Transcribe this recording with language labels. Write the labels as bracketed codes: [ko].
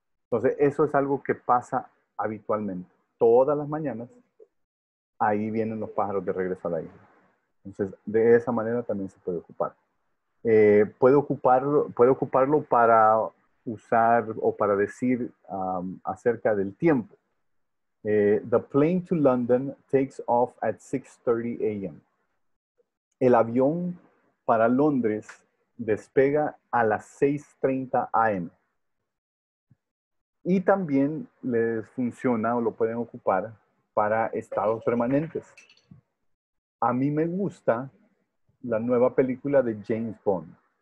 [es] Entonces, eso es algo que pasa habitualmente. Todas las mañanas, ahí vienen los pájaros de regreso a la isla. Entonces, de esa manera también se puede ocupar. Puede ocuparlo para usar o para decir acerca del tiempo. [en] The plane to London takes off at 6:30 a.m. [es] El avión para Londres despega a las 6:30 a.m. Y también les funciona o lo pueden ocupar para estados permanentes. A mí me gusta la nueva película de James Bond.